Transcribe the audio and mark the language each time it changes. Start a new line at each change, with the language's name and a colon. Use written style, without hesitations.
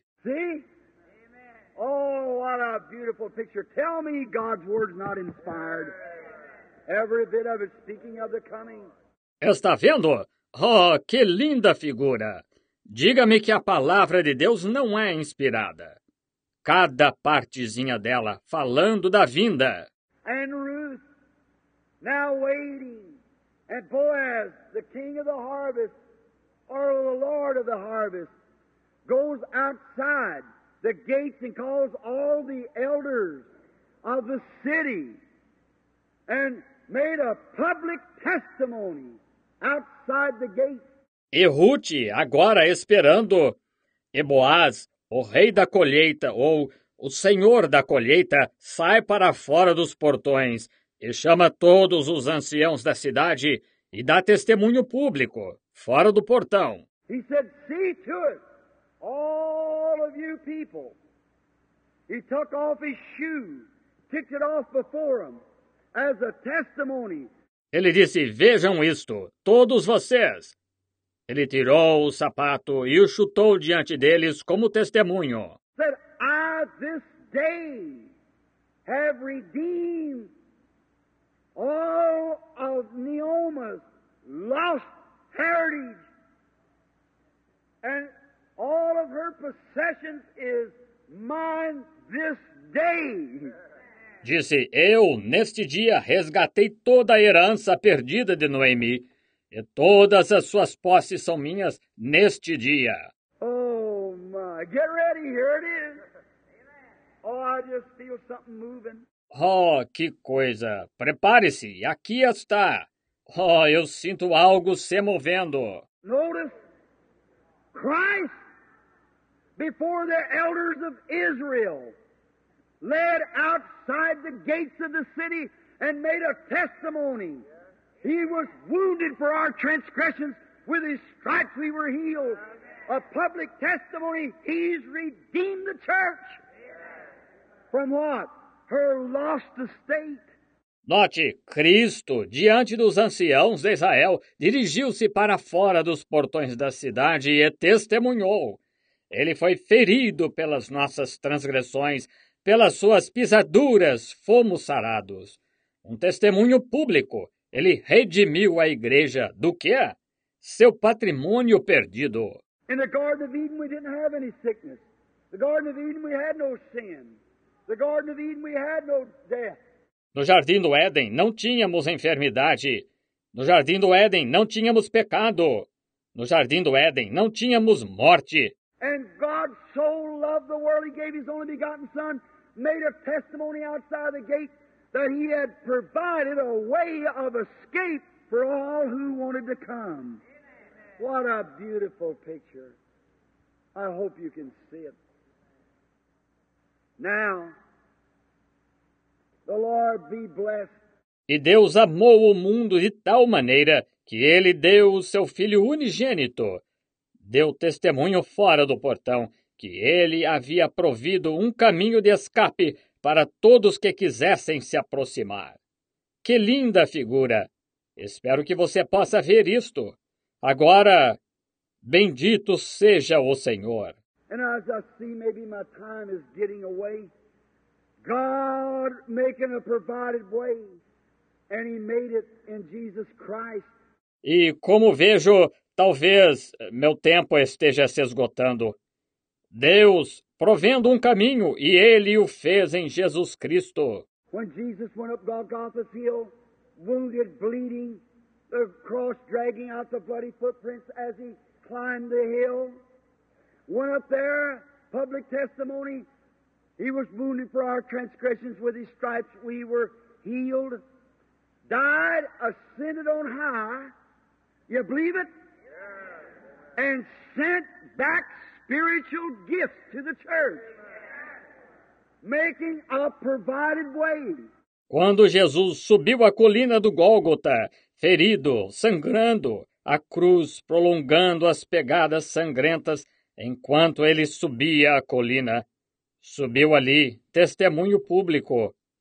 English: See? Oh, what a beautiful picture. Tell me God's word's not inspired. Every bit of it speaking of the coming.
Portuguese: Está vendo? Oh, que linda figura. Diga-me que a palavra de Deus não é inspirada. Cada partezinha dela falando da vinda.
English: And Ruth, now waiting. And Boaz, the king of the harvest, or the lord of the harvest, goes outside the gates and calls all the elders of the city and made a public testimony outside the gate.
Portuguese: E Ruth, agora esperando, e Boaz, o rei da colheita, ou o senhor da colheita, sai para fora dos portões e chama todos os anciãos da cidade e dá testemunho público, fora do portão.
English: He said, see to it, all of you people. He took off his shoe, kicked it off before him, as a testimony.
Portuguese: Ele disse, vejam isto, todos vocês. Ele tirou o sapato e o chutou diante deles como testemunho.
English: Said, I this day have redeemed all of Naomi's lost heritage, and all of her possessions is mine this day.
Portuguese: Disse, eu neste dia resgatei toda a herança perdida de Noemi, e todas as suas posses são minhas neste dia.
English: Oh my, get ready, here it is. Oh, I just feel something moving.
Portuguese: Oh, que coisa. Prepare-se. Aqui está. Oh, eu sinto algo se movendo.
English: Notice Christ before the elders of Israel led outside the gates of the city and made a testimony. He was wounded for our transgressions. With his stripes we were healed. A public testimony. He's redeemed the church. From what? Her lost estate.
Portuguese: Note, Cristo, diante dos anciãos de Israel, dirigiu-se para fora dos portões da cidade e testemunhou. Ele foi ferido pelas nossas transgressões, pelas suas pisaduras fomos sarados. Um testemunho público, ele redimiu a igreja do quê? Seu patrimônio perdido.
English: In the Garden of Eden we didn't have any sickness. The Garden of Eden we had no sin. The Garden of Eden we had no death.
Portuguese: No Jardim do Éden não tínhamos enfermidade. No Jardim do Éden não tínhamos pecado. No Jardim do Éden não tínhamos morte.
English: And God so loved the world, he gave his only begotten son, made a testimony outside the gate that he had provided a way of escape for all who wanted to come. What a beautiful picture. I hope you can see it. Now, the Lord be blessed.
Portuguese: E Deus amou o mundo de tal maneira que ele deu o seu filho unigênito. Deu testemunho fora do portão que ele havia provido um caminho de escape para todos que quisessem se aproximar. Que linda figura! Espero que você possa ver isto. Agora, bendito seja o Senhor.
English: And as I see, maybe my time is getting away. God making a provided way, and he made it in Jesus Christ.
Portuguese: E como vejo, talvez meu tempo esteja se esgotando. Deus provendo um caminho, e ele o fez em Jesus Cristo.
English: When Jesus went up Golgotha's hill, wounded, bleeding, the cross dragging out the bloody footprints as he climbed the hill. Went up there, public testimony. He was wounded for our transgressions. With his stripes we were healed. Died, ascended on high. You believe it? Yes. And sent back spiritual gifts to the church. Yes. Making a provided way.
Portuguese: Quando Jesus subiu a colina do Gólgota, ferido, sangrando, a cruz prolongando as pegadas sangrentas enquanto ele subia a colina, subiu ali, testemunho público.